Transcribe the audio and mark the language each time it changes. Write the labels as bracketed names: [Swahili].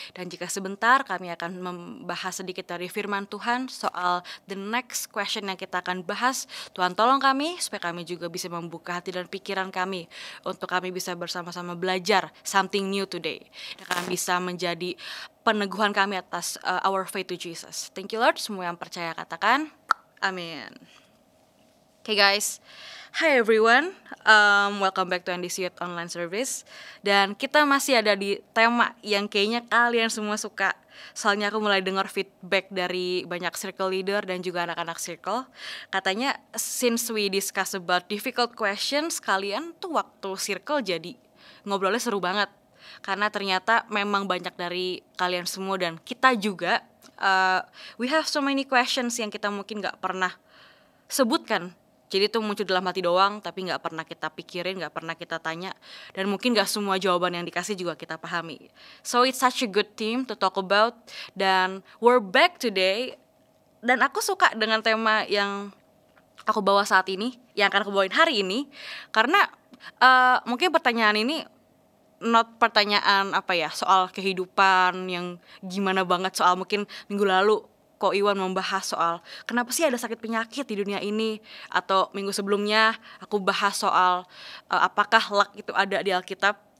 [Indonesian] Dan jika sebentar kami akan membahas sedikit dari firman Tuhan soal [English] the next question [Indonesian] yang kita akan bahas. Tuhan tolong kami supaya kami juga bisa membuka hati dan pikiran kami untuk kami bisa bersama-sama belajar [English] something new today. [Indonesian] Dan kami bisa menjadi peneguhan kami atas [English] our faith to Jesus. Thank you Lord, [Indonesian] semua yang percaya katakan amin. [English] Okay guys. Hi everyone, welcome back to NDC Youth Online Service. [Indonesian] Dan kita masih ada di tema yang kayaknya kalian semua suka. Soalnya aku mulai dengar feedback dari banyak circle leader dan juga anak-anak circle. Katanya [English] since we discuss about difficult questions, [Indonesian] kalian tuh waktu circle jadi ngobrolnya seru banget. Karena ternyata memang banyak dari kalian semua dan kita juga [English] we have so many questions [Indonesian] yang kita mungkin gak pernah sebutkan. Jadi itu muncul dalam hati doang, tapi gak pernah kita pikirin, gak pernah kita tanya. Dan mungkin gak semua jawaban yang dikasih juga kita pahami. [English] So it's such a good team to talk about. Dan we're back today. [Indonesian] Dan aku suka dengan tema yang aku bawa saat ini, yang akan aku bawain hari ini. Karena mungkin pertanyaan ini not pertanyaan apa ya, soal kehidupan yang gimana banget, soal mungkin minggu lalu Ko Iwan membahas soal kenapa sih ada sakit penyakit di dunia ini, atau minggu sebelumnya aku bahas soal apakah luck itu ada di Alkitab.